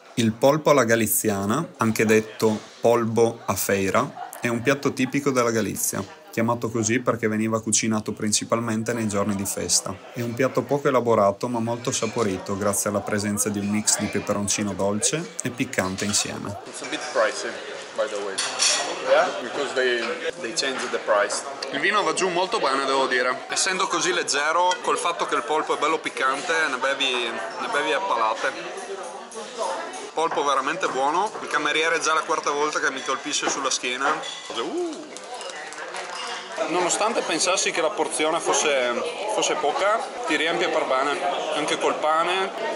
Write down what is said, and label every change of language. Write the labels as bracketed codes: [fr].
[it] Il polpo alla galiziana, anche detto polbo a feira, è un piatto tipico della Galizia, chiamato così perché veniva cucinato principalmente nei giorni di festa. È un piatto poco elaborato ma molto saporito grazie alla presenza di un mix di peperoncino dolce e piccante insieme. [en] It's a bit pricey, by the way. Because they change the price. [it] Il vino va giù molto bene, devo dire. Essendo così leggero, col fatto che il polpo è bello piccante, ne bevi a palate. Polpo veramente buono. Il cameriere è già la quarta volta che mi colpisce sulla schiena. Nonostante pensassi che la porzione fosse poca, ti riempie per bene. Anche col pane.